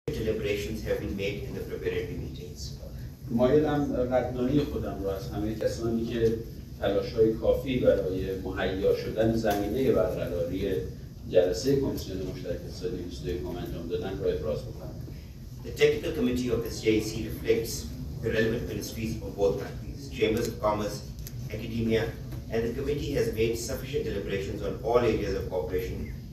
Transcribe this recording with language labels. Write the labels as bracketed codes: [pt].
[en] preparations have been made in the preparatory meetings. [fa] مایلم قدردانی خودم رو از همه کسانی که تلاش‌های کافی برای مهیا شدن زمینه برقراری جلسه کمیسیون مشترک اقتصادی 21 انجام دادن رو ابراز می‌کنم. [en] The technical committee of this JEC reflects the relevant ministries of both countries, chambers of commerce, academia, and the committee has made sufficient deliberations on all areas of cooperation.